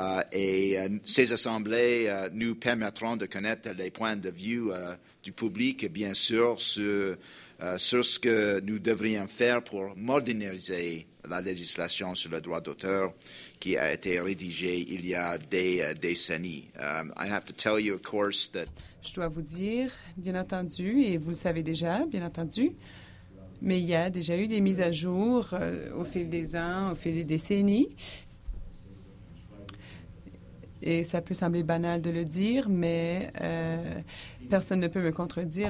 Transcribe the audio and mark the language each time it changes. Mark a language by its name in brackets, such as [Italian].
[French] Ces assemblées nous permettront de connaître les points de vue du public, bien sûr, sur ce que nous devrions faire pour moderniser la législation sur le droit d'auteur qui a été rédigée il y a des décennies. [English] I have to tell you, of course, that [French] je dois vous dire, bien entendu, et vous le savez déjà, bien entendu, mais il y a déjà eu des mises à jour au fil des ans, au fil des décennies. Et ça peut sembler banal de le dire, mais personne ne peut me contredire.